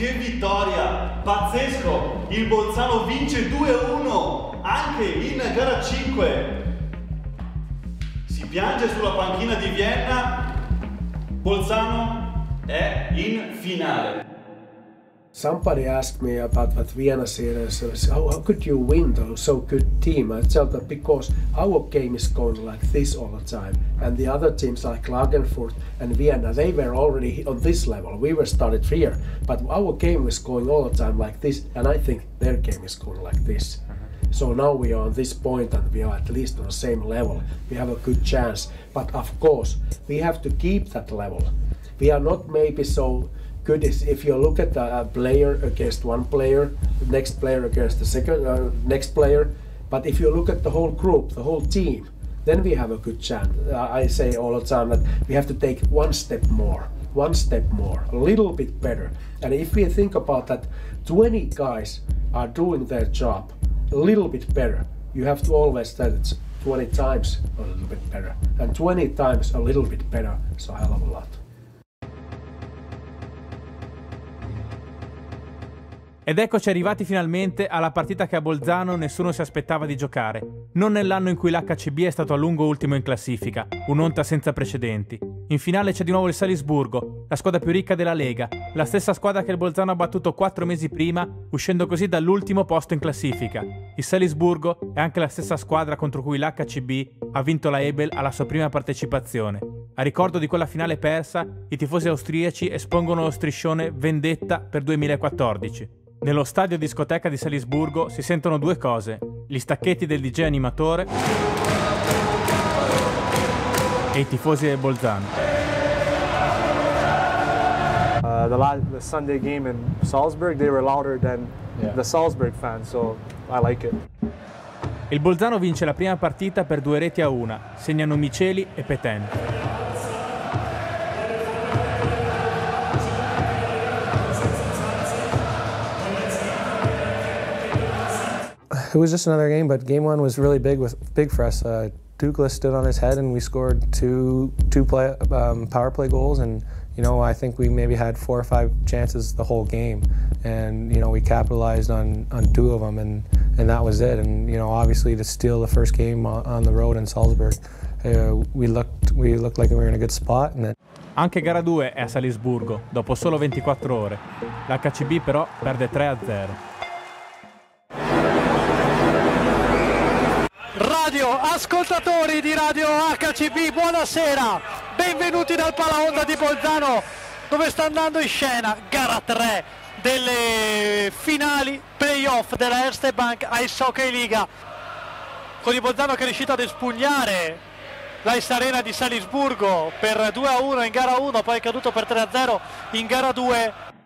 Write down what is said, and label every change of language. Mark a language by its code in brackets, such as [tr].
[it] vittoria, pazzesco, il Bolzano vince 2-1 anche in gara 5. Si piange sulla panchina di Vienna, Bolzano è in finale. [en] Somebody asked me about that Vienna series. How could you win though, so good team? I tell them because our game is going like this all the time, and the other teams like Klagenfurt and Vienna, they were already on this level. We were started here, but our game was going all the time like this, and I think their game is going like this. So now we are on this point and we are at least on the same level. We have a good chance, but of course we have to keep that level. We are not maybe so good is if you look at the player against one player, next player against the second next player, but if you look at the whole group, the whole team, then we have a good chance. I say all the time that we have to take one step more, a little bit better. And if we think about that, 20 guys are doing their job a little bit better, you have to always say that it's 20 times a little bit better, and 20 times a little bit better is a hell of a lot. [it] Ed eccoci arrivati finalmente alla partita che a Bolzano nessuno si aspettava di giocare. Non nell'anno in cui l'HCB è stato a lungo ultimo in classifica, un'onta senza precedenti. In finale c'è di nuovo il Salisburgo, la squadra più ricca della Lega, la stessa squadra che il Bolzano ha battuto 4 mesi prima, uscendo così dall'ultimo posto in classifica. Il Salisburgo è anche la stessa squadra contro cui l'HCB ha vinto la Ebel alla sua prima partecipazione. A ricordo di quella finale persa, i tifosi austriaci espongono lo striscione Vendetta per 2014. Nello stadio discoteca di Salisburgo si sentono due cose, gli stacchetti del DJ animatore e i tifosi del Bolzano. [en] The Sunday game in Salzburg, they were louder than the Salzburg fans, so I like it. [it] Il Bolzano vince la prima partita per 2-1, segnano Miceli e Petén. [en] It was just another game, but game one was really big for us. Douglas stood on his head, and we scored two power play goals. And you know, I think we maybe had four or five chances the whole game, and you know, we capitalized on two of them, and that was it. And you know, obviously, to steal the first game on the road in Salzburg, we looked like we were in a good spot. And then... [it] Anche gara 2 è a Salisburgo dopo solo 24 ore. L'HCB però perde 3-0. Radio, ascoltatori di Radio HCB, buonasera, benvenuti dal Palaonda di Bolzano, dove sta andando in scena gara 3 delle finali playoff della Erste Bank Ice Hockey Liga, con il Bolzano che è riuscito ad espugnare l'Ice Arena di Salisburgo per 2-1 in gara 1, poi è caduto per 3-0 in gara 2.